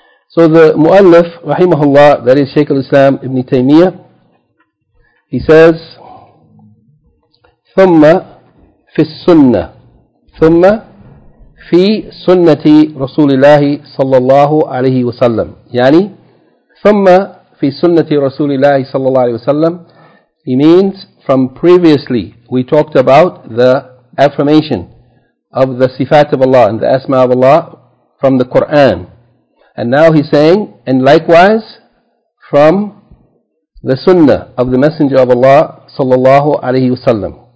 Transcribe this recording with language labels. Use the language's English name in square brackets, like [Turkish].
[English] So the mu'allif, rahimahullah, that is Shaykh al-Islam Ibn Taymiyyah, he says, [Arabic] ثُمَّ فِي السُّنَّةِ ثُمَّ فِي سُنَّةِ رَسُولِ اللَّهِ صَلَّى اللَّهُ عَلَيْهِ وَسَلَّمْ. Yani, ثُمَّ فِي سُنَّةِ رَسُولِ اللَّهِ صَلَّى اللَّهُ عَلَيْهِ وَسَلَّمْ. [English] He means, from previously, we talked about the affirmation of the sifat of Allah and the asma of Allah from the Quran. And now he's saying, and likewise from the sunnah of the Messenger of Allah [Arabic] sallallahu alayhi wa sallam.